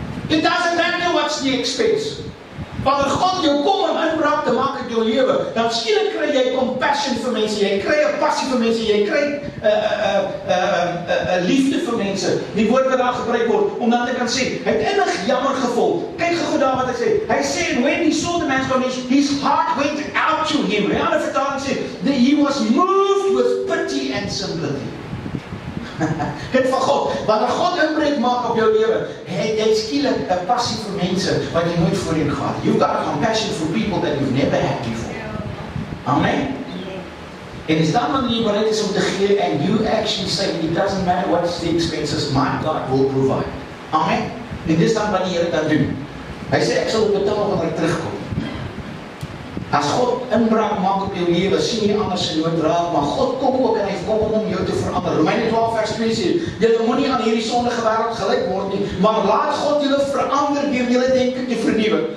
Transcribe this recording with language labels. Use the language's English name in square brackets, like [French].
[English] It doesn't matter what's the expense. [Afrikaans] Wanneer God jou kom om inbraak te maak in jou lewe, dan skielik kry jy compassion vir mense, jy kry 'n passie vir mense, jy kry 'n liefde vir mense. Die woord wat daar gebruik word, om dan te kan sê, hy het innig jammer gevoel. Kyk gou daar wat hy sê. Hy sê, [English] when he saw the man's condition, his heart went out to him. [Afrikaans] In ander vertaling sê, [English] that he was moved with pity and sympathy. [Afrikaans] Het van God, wanneer God inbreek maak op jou lewe, het jy skielik 'n passie vir mense wat jy nooit voorheen gehad. [English] You got a compassion for people that you've never had before. Amen. [Afrikaans] En is dan wanneer jy bereid is om te gee, [English] and you actually say, it doesn't matter what the expenses, my God will provide. [Afrikaans] Amen. En dis dan wat die Here dan doen. Hy sê, ek sal betaal wanneer ek terugkom. As God inbraak maak op jou lewe, sien jy anders in nood raak, maar God kom ook en hy kom om jou te verander. Romeine 12 vers 2 sê, julle moet nie aan hierdie sondige wêreld gelyk word nie, maar laat God julle verander deur julle denke te vernuwe.